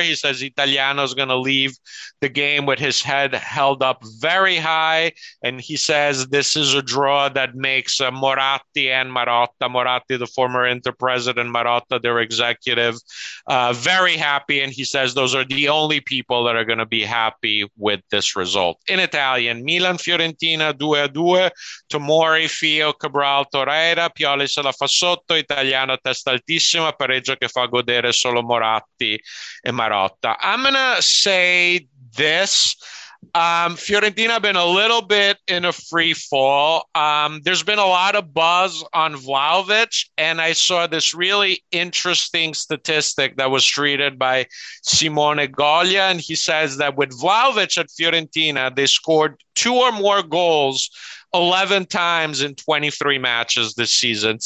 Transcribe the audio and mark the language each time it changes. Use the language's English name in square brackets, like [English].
[English] He says Italiano is gonna leave the game with his head held up very high, and he says this is a draw that makes Moratti and Marotta, Moratti the former Inter president, Marotta their executive, very happy. And he says those are the only people that are gonna be happy with this result. In Italian, Milan Fiorentina. [Italian] 2-2, Tomori, Fio, Cabral, Torreira, Pioli se la fa sotto, Italiano testa altissima, pareggio che fa godere solo Moratti e Marotta. [English] I'm gonna say this. Fiorentina been a little bit in a free fall. There's been a lot of buzz on Vlahovic, and I saw this really interesting statistic that was treated by Simone Goglia, and he says that with Vlahovic at Fiorentina, they scored two or more goals 11 times in 23 matches this season.